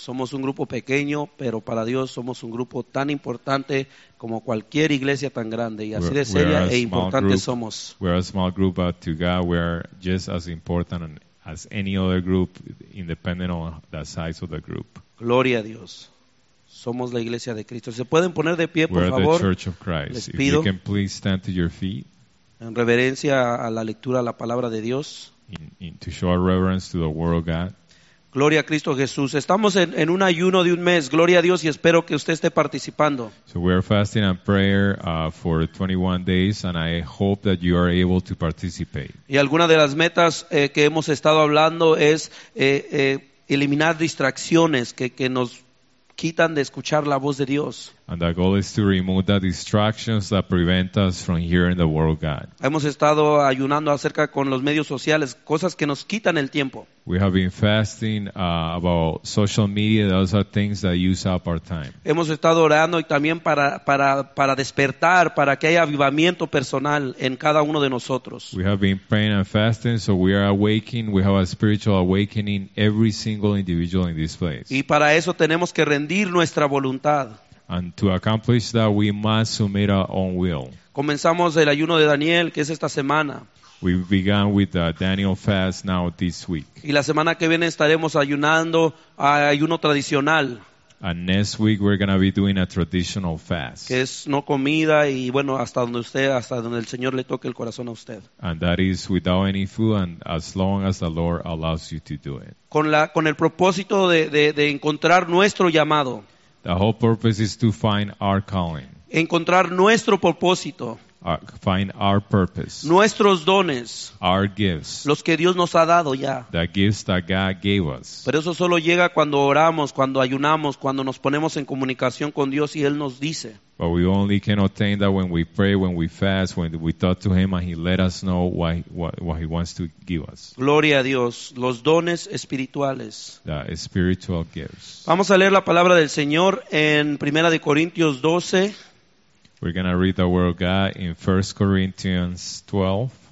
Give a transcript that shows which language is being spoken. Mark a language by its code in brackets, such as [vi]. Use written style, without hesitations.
[es] Somos un grupo pequeño, pero para Dios somos un grupo tan importante como cualquier iglesia tan grande. Y así de seria e importante somos. [en] We're a small group, but to God we're just as important as any other group, independent of the size of the group. [es] Gloria a Dios. Somos la iglesia de Cristo. ¿Se pueden poner de pie, por favor? [en] We're the Church of Christ. [es] Les pido. [en] If you can please stand to your feet. [es] En reverencia a la lectura de la palabra de Dios. [en] To show our reverence to the word of God. [es] Gloria a Cristo Jesús. Estamos en un ayuno de un mes. Gloria a Dios y espero que usted esté participando. [en] So we are fasting and prayer for 21 days and I hope that you are able to participate. [es] Y alguna de las metas que hemos estado hablando es eliminar distracciones que nos quitan de escuchar la voz de Dios. [en] And the goal is to remove the distractions that prevent us from hearing the word of God. [es] Hemos estado ayunando acerca con los medios sociales, cosas que nos quitan el tiempo. [en] We have been fasting about social media. Those are things that use up our time. [es] Hemos estado orando y también para despertar, para que haya avivamiento personal en cada uno de nosotros. [en] We have been praying and fasting, so we are awakening. We have a spiritual awakening every single individual in this place. [es] Y para eso tenemos que rendir nuestra voluntad. [en] And to accomplish that, we must submit our own will. [es] Comenzamos el ayuno de Daniel, que es esta semana. [en] We began with the Daniel fast now this week. [es] Y la semana que viene estaremos ayunando ayuno tradicional. [en] And next week we're going to be doing a traditional fast. [es] Que es no comida y bueno, hasta donde el Señor le toque el corazón a usted. [en] And that is without any food and as long as the Lord allows you to do it. [es] Con el propósito de encontrar nuestro llamado. [en] The whole purpose is to find our calling. [es] Encontrar nuestro propósito. [en] Find our purpose. [es] Nuestros dones. [en] Our gifts. [es] Los que Dios nos ha dado ya. [en] The gifts that God gave us. [es] Pero eso solo llega cuando oramos, cuando ayunamos, cuando nos ponemos en comunicación con Dios y Él nos dice. [en] But we only can obtain that when we pray, when we fast, when we talk to Him and He let us know what He wants to give us. [es] Gloria a Dios. Los dones espirituales. [en] The spiritual gifts. [es] Vamos a leer la palabra del Señor en 1 Corintios 12. [en] We're going to read the word of God in 1 Corinthians 12.